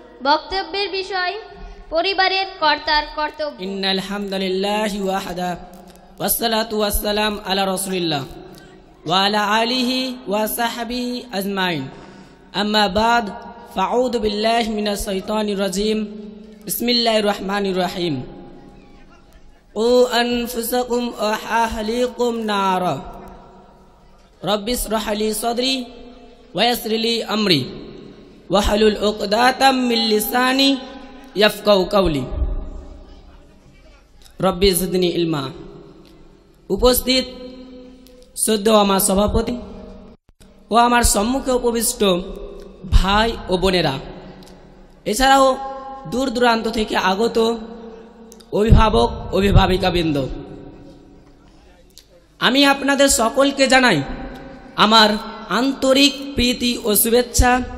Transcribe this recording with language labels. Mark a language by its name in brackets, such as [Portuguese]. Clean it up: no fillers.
[Bangla] বক্তব্যের বিষয় পরিবারের কর্তার কর্তব্য। [Arabic] ইন্নাল হামদুলিল্লাহি ওয়াহদা ওয়াসসালাতু ওয়াসসালাম আলা রাসূলিল্লাহ ওয়া আলা আলিহি ওয়া সাহবিহি আজমাইন। আম্মা বাদ, ফাউযু বিল্লাহি মিনাশ শাইতানির রাজীম। বিসমিল্লাহির রহমানির রহিম। قوا أنفسكم وأهليكم نارا رب اشرح لي صدري ويسر لي أمري واحلل عقدة من لساني يفقهوا قولي رب زدني علما। [Bangla] উপস্থিত শুদ্ধ আমার সভাপতি ও আমার সম্মুখে উপবিষ্ট ভাই ও বোনেরা, এছাড়াও দূর দূরান্ত থেকে আগত অভিভাবক অভিভাবিকাবৃন্দ, আমি আপনাদের সকলকে জানাই আমার আন্তরিক প্রীতি ও শুভেচ্ছা।